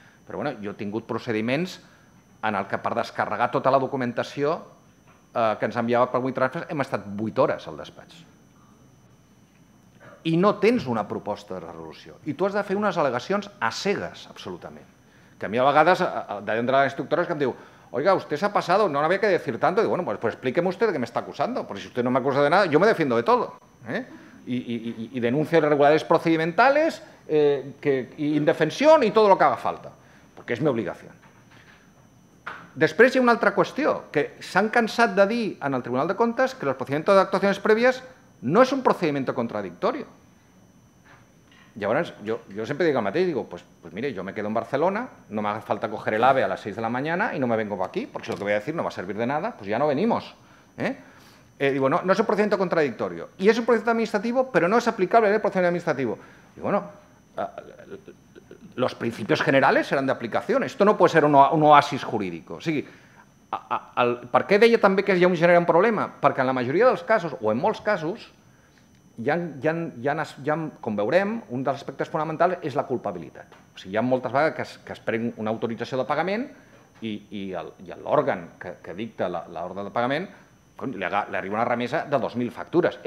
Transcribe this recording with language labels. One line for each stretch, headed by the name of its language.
Catalan: Però bueno, jo he tingut procediments en el que per descarregar tota la documentació que ens enviava per WeTransfer hem estat 8 hores al despatx. I no tens una proposta de resolució. I tu has de fer unes al·legacions a cegues, absolutament. Que a mi a vegades, d'entrar a la instructora, és que em diu,
Spanish: oiga, usted se ha pasado, no había que decir tanto. Digo, bueno, pues explíqueme usted que me está acusando, porque si usted no me acusa de nada, yo me defiendo de todo. Y denuncio irregularidades procedimentales, indefensión y todo lo que haga falta,
Catalan: perquè és la meva obligació. Després hi ha una altra qüestió, que s'han cansat de dir en el Tribunal de Comptes que el
Spanish: procedimiento de actuaciones previas
Catalan: no és un procedimiento contradictorio. Llavors, jo sempre dic el mateix,
Spanish: digo, pues mire, jo me quedo en Barcelona, no me hace falta coger el AVE a las 6 de la mañana y no me vengo aquí, porque si lo que voy a decir no va a servir de nada, pues ya no venimos. Digo, no es un procedimiento contradictorio. Y es un procedimiento administrativo, pero no es aplicable en el procedimiento administrativo. Y bueno, los principios generales serán de aplicación. Esto no puede ser un oasis jurídico.
Catalan: O sigui, ¿per què deia també que ja genera un problema? Perquè en la majoria dels casos, o en molts casos, ja, com veurem, un dels aspectes fonamentals és la culpabilitat. O sigui, hi ha moltes vegades que es pren una autorització de pagament i l'òrgan que dicta l'ordre de pagament li arriba una remesa de 2.000 factures.